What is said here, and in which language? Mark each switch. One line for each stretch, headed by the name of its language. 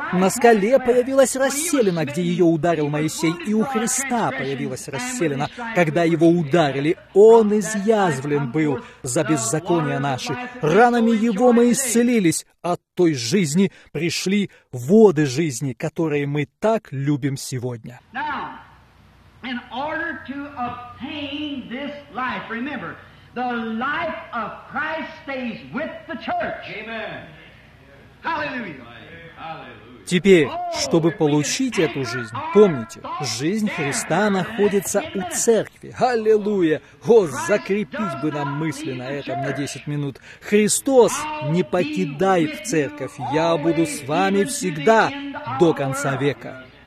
Russian: На скале появилась расселина, где ее ударил Моисей, и у Христа появилась расселина, когда его ударили. Он изъязвлен был за беззаконие наши. Ранами его мы исцелились. От той жизни пришли воды жизни, которые мы так любим сегодня.
English: In order to obtain this life, remember, the life of Christ stays with the church. Amen. Hallelujah.
Russian: Теперь, чтобы получить эту жизнь, помните, жизнь Христа находится у церкви. Аллилуйя! О, закрепить бы нам мысли на этом на 10 минут. Христос не покидает церковь. Я буду с вами всегда до конца века.